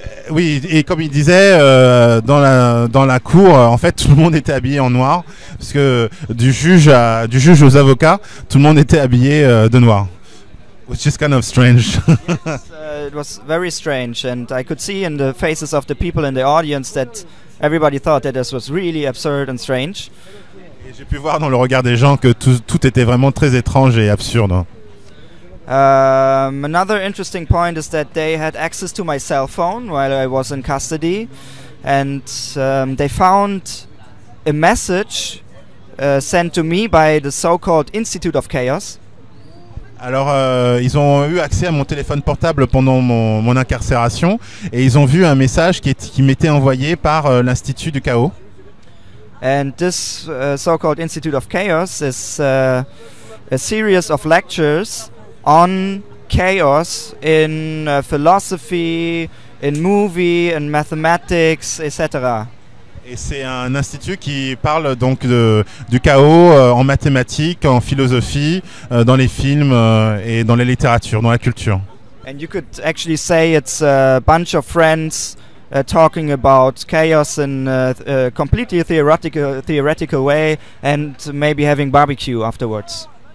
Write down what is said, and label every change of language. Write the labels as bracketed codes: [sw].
[fr] Oui, et comme il disait, dans la cour, en fait, tout le monde était habillé en noir, parce que du juge aux avocats, tout le monde était habillé de noir. [en] Which is kind of strange. It was very strange, and I could see in the faces of the people in the audience that everybody thought that this was really absurd and strange. [fr] Et j'ai pu voir dans le regard des gens que tout était vraiment très étrange et absurde. [en] Another interesting point is that they had access to my cell phone while I was in custody, and they found a message sent to me by the so-called Institute of Chaos. [fr] Alors, ils ont eu accès à mon téléphone portable pendant mon incarcération, et ils ont vu un message qui m'était envoyé par l'Institut du Chaos. [en] And this so-called Institute of Chaos is a series of lectures on chaos in philosophy, in movie, in mathematics, etc. [fr] Et c'est un institut qui parle donc du chaos en mathématiques, en philosophie, dans les films et dans la littérature, dans la culture. [en] And you could actually say it's a bunch of friends talking about chaos in a completely theoretical way and maybe having barbecue afterwards.